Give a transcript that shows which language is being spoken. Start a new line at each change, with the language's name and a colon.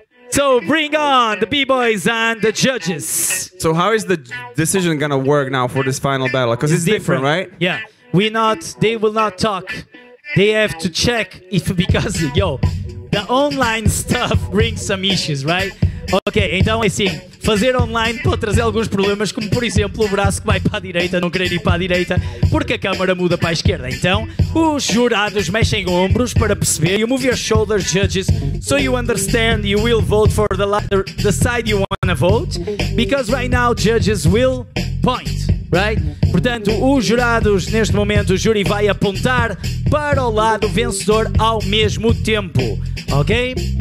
English: So bring on the B-Boys and the judges. So how is the decision going to work now for this final battle? Because it's different, right? Yeah. They will not talk. They have to check because the online stuff brings some issues, right?
Portuguese: Ok, então assim, fazer online pode trazer alguns problemas, como por exemplo o braço que vai para a direita, não querer ir para a direita, porque a câmara muda para a esquerda. Então, os jurados mexem ombros para perceber.
English: You move your shoulders, judges, so you understand you will vote for the side you want to vote, because right now judges will point, right?
Portuguese: Portanto, os jurados, neste momento, o júri vai apontar para o lado vencedor ao mesmo tempo, ok?